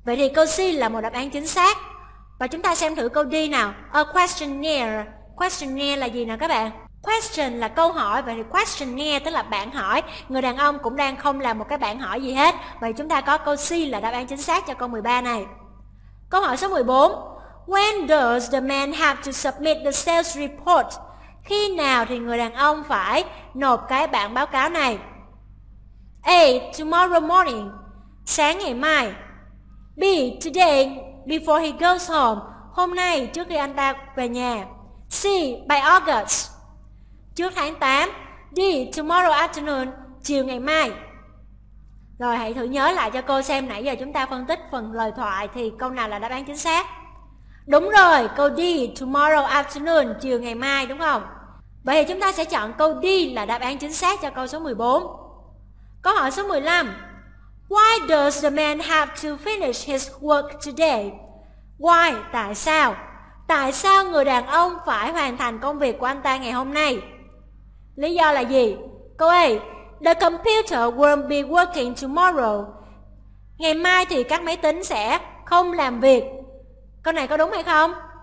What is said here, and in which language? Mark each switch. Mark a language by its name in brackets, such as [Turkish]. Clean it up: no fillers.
[Vietnamese] Vậy thì câu C là một đáp án chính xác. Và chúng ta xem thử câu D nào. [English] A questionnaire. [Vietnamese] Questionnaire là gì nào các bạn? Question là câu hỏi. Vậy thì questionnaire tức là bản hỏi. Người đàn ông cũng đang không làm một cái bản hỏi gì hết. Vậy chúng ta có câu C là đáp án chính xác cho câu 13 này. Câu hỏi số 14. [English] When does the man have to submit the sales report? [Vietnamese] Khi nào thì người đàn ông phải nộp cái bản báo cáo này? [English] A. Tomorrow morning. [Vietnamese] Sáng ngày mai. [English] B. Today before he goes home. [Vietnamese] Hôm nay trước khi anh ta về nhà. C. [English] By August. [Vietnamese] Trước tháng 8. D. [English] Tomorrow afternoon. [Vietnamese] Chiều ngày mai. Rồi hãy thử nhớ lại cho cô xem nãy giờ chúng ta phân tích phần lời thoại thì câu nào là đáp án chính xác? Đúng rồi, câu D, [English] tomorrow afternoon, [Vietnamese] chiều ngày mai, đúng không? Vậy thì chúng ta sẽ chọn câu D là đáp án chính xác cho câu số 14. Câu hỏi số 15. [English] Why does the man have to finish his work today? Why, [Vietnamese] tại sao? Tại sao người đàn ông phải hoàn thành công việc của anh ta ngày hôm nay? Lý do là gì? Câu A. [English] The computer won't be working tomorrow. [Vietnamese] Ngày mai thì các máy tính sẽ không làm việc. Câu này có đúng hay không?